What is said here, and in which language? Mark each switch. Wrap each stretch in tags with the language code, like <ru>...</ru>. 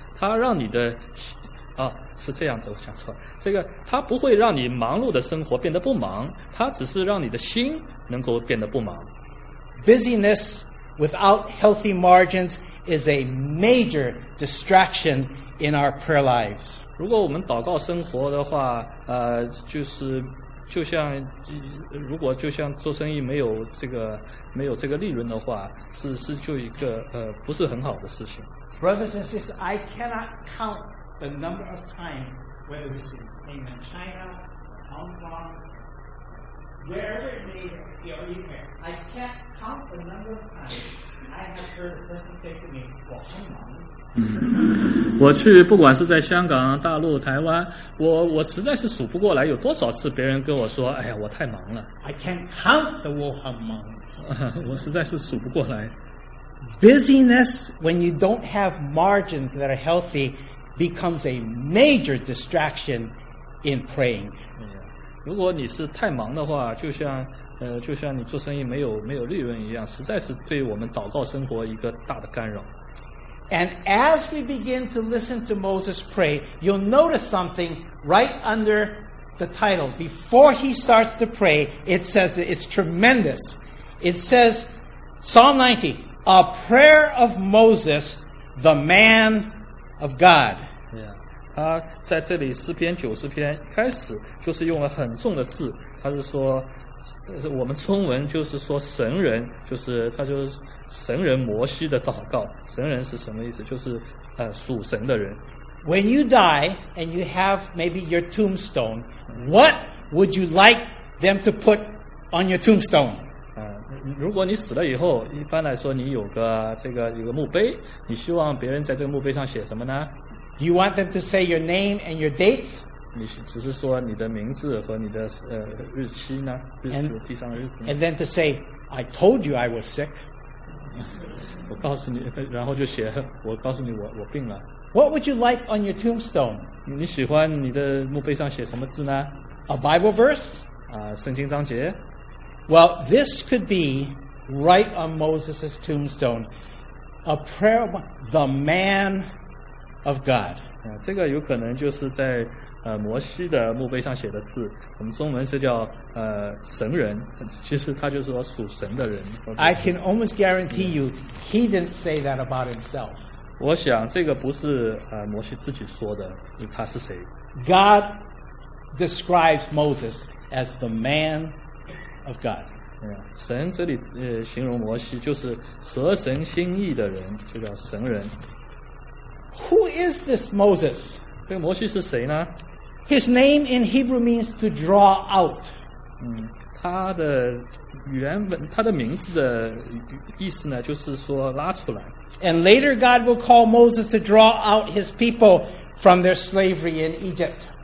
<zh>它让你的是这样子，我想说，这个它不会让你忙碌的生活变得不忙，它只是让你的心能够变得不忙。</zh> <en>Busyness without healthy margins is a major distraction in our prayer lives.</en> <zh>如果我们祷告生活的话，就像如果就像做生意没有这个利润的话，是就一个不是很好的事情。</zh> <en>Brothers and sisters, I cannot count the number of times whether it's in mainland China, Hong Kong, wherever it may be, or anywhere, I can't count the number of times I have heard a person say to me, "Well, I'm not."</en> <zh>我去不管是在香港大陆台湾我实在是数不过来有多少次别人跟我说哎呀我太忙了</zh> <en>I can't count the woman months</en> <zh>我实在是数不过来</zh> <en>Busyness when you don't have margins that are healthy becomes a major distraction in praying</en> <zh>如果你是太忙的话就像你做生意没有利润一样实在是对我们祷告生活一个大的干扰</zh> <en>And as we begin to listen to Moses pray, you'll notice something right under the title. Before he starts to pray, it says that it's tremendous. It says, Psalm 90, a prayer of Moses, the man of God.</en> <zh>Yeah. 他在这里诗篇九十篇开始就是用了很重的字，他是说我们中文就是说神人，就是他就是神人摩西的祷告。神人是什么意思？就是属神的人。</zh> <en>When you die and you have maybe your tombstone, what would you like them to put on your tombstone?</en> <zh>如果你死了以后，一般来说你有个这个有个墓碑，你希望别人在这个墓碑上写什么呢？</zh> <en>Do you want them to say your name and your date?</en> <zh>你只是说你的名字和你的日期呢？日子 地上的日子呢？</zh> <en>And then to say, I told you I was sick.</en> <zh>我告诉你，然后就写，我告诉你我病了。</zh> <en>What would you like on your tombstone?</en> <zh>你喜欢你的墓碑上写什么字呢？</zh> <en>A Bible verse?</en> <zh>圣经章节。</zh> <en>Well, this could be right on Moses' tombstone. A prayer, the man of God.</en> <zh>这个有可能就是在摩西的墓碑上写的字。我们中文是叫神人，其实他就是说属神的人。</zh> <en>I can almost guarantee you, he didn't say that about himself.</en> <zh>我想这个不是摩西自己说的，他是谁？</zh> <en>God describes Moses as the man of God.</en> <zh>神这里形容摩西就是合神心意的人，就叫神人。</zh> <en>Who is this Moses?</en> <zh>这个摩西是谁呢？</zh> <en>His name in Hebrew means to draw out.</en> <zh>他的原文，他的名字的意思呢，就是说拉出来。</zh> <en>And later God will call Moses to draw out his people from their slavery in Egypt.</en>